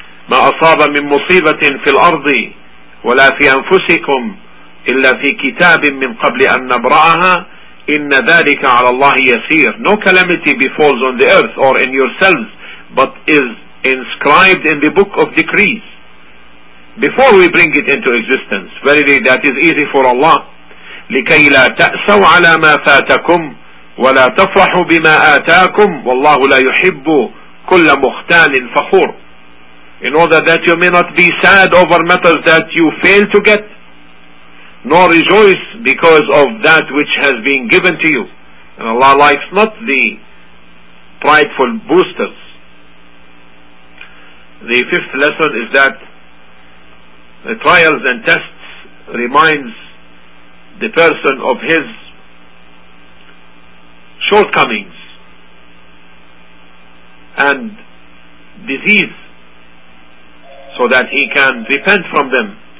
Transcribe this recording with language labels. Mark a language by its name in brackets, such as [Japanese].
[Arabic] ما أصاب من مصيبة في الأرض ولا في أنفسكم إلا في كتاب من قبل أن نبرأها إن ذلك على الله يسير. [English] No calamity befalls on the earth or in yourselves, but is inscribed in the book of decrees before we bring it into existence. Verily that is easy for Allah. [Arabic] لكي لا تأسوا على ما فاتكم ولا تفرحوا بما آتاكم والله لا يحب كل مختال فخور. [English] In order that you may not be sad over matters that you fail to get, nor rejoice because of that which has been given to you. And Allah likes not the prideful boosters. The fifth lesson is that the trials and tests reminds the person of his shortcomings and disease, so that he can repent from them.